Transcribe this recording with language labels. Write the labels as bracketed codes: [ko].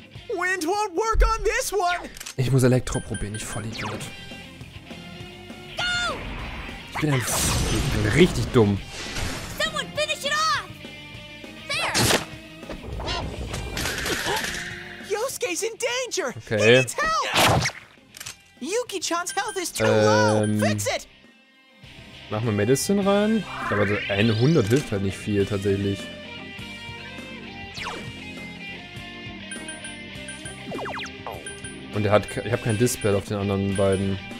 [en] Wind won't work on this one! [de] Ich muss Elektro probieren, ich Vollidiot. Ich bin ein Vollidiot. Richtig dumm. [en] Someone finish it off! There! Yosuke's in danger! Okay. He needs help! Yuki-chan's health is too low! Fix it! [de] Mach mal Medicine rein. Ich glaube, also 100 hilft halt nicht viel, tatsächlich. Und er hat. Ich habe kein Dispel auf den anderen beiden.